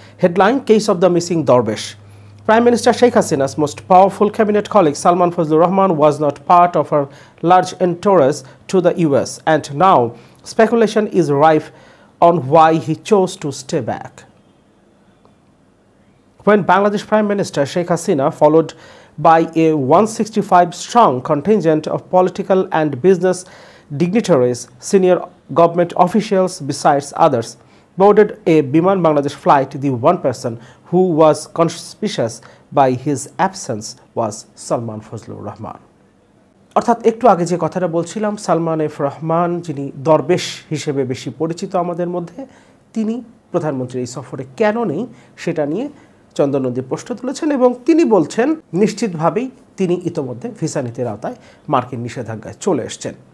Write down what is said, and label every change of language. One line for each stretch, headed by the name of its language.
English: Headline, case of the missing Darbesh. Prime minister Sheikh Hasina's most powerful cabinet colleague Salman Fazlur Rahman was not part of her large entourage to the US and now speculation is rife on why he chose to stay back. When Bangladesh Prime Minister Sheikh Hasina, followed by a 165-strong contingent of political and business dignitaries, senior government officials besides others, boarded a Biman Bangladesh flight, the one person who was conspicuous by his absence was Salman Fazlur Rahman.
Bangla: অর্থাৎ একটু আগে যে কথাটা বলছিলাম, Salman F Rahman যিনি দরবেশ হিসেবে বেশি পরিচিত আমাদের মধ্যে, তিনি প্রধানমন্ত্রীর এই সফরে কেন নেই সেটা নিয়ে চন্দননন্দী প্রশ্ন তুলেছেন এবং তিনি বলছেন নিশ্চিতভাবেই তিনি ইতোমধ্যে ভিসা নীতির আওতায় মার্কিন নিষেধাজ্ঞায় চলে এসেছেন।